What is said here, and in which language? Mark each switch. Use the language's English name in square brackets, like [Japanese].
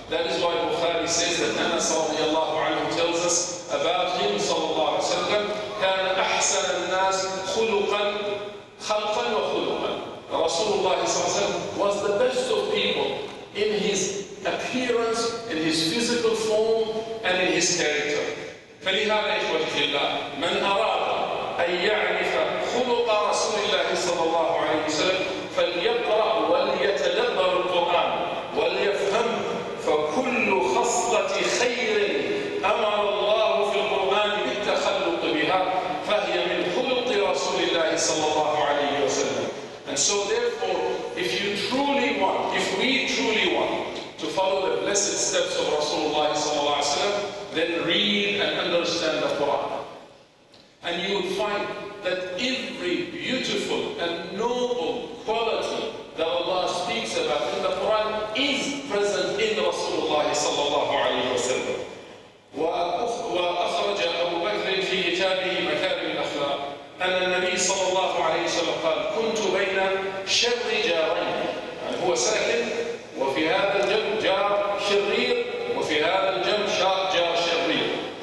[English] That is why Bukhari says that Anas radiallahu anhu tells us about him, sallallahu alayhi wa sallam, [Arabic] كان أحسن الناس خلقا خلقا وخلقا. [English] Rasulullah was the best of people in his appearance, in his physical form, and in his character. [Arabic] فلهذا إخوة الله من أراد أن يعرف خلق رسول الله صلى الله عليه وسلم فليقرأ وليتدبر القرآن وليفهم فكل خصلة خير أمر الله في القرآن بالتخلق بها فهي من خلق رسول الله صلى الله عليه وسلم. [English] And so therefore, if you truly want, if we truly want to follow the blessed steps of Rasulullah ﷺ, then read and understand the Quran. And you will find that every beautiful and noble quality that Allah speaks about in the Quran is present in Rasulullah ﷺ. [Arabic] وأخرج أبو بكر في كتابه مكارم الأخلاق أن النبي صلى الله عليه وسلم قال: كنت بين شر جارين. يعني هو ساكن وفي هذا الجنب جار شرير وفي هذا الجنب جار شرير.